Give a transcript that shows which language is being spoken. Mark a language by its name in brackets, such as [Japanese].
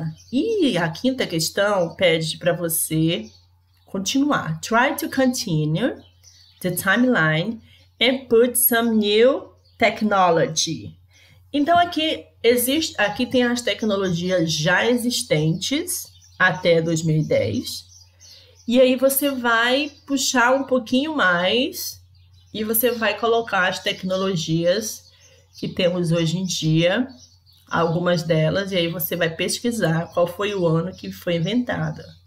[Portuguese] E a quinta questão pede para você continuar. [English] Try to continue the timeline and put some new technology. [Portuguese] Então aqui tem as tecnologias já existentes até 2010. E aí você vai puxar um pouquinho mais e você vai colocar as tecnologias que temos hoje em dia, algumas delas, e aí você vai pesquisar qual foi o ano que foi inventada.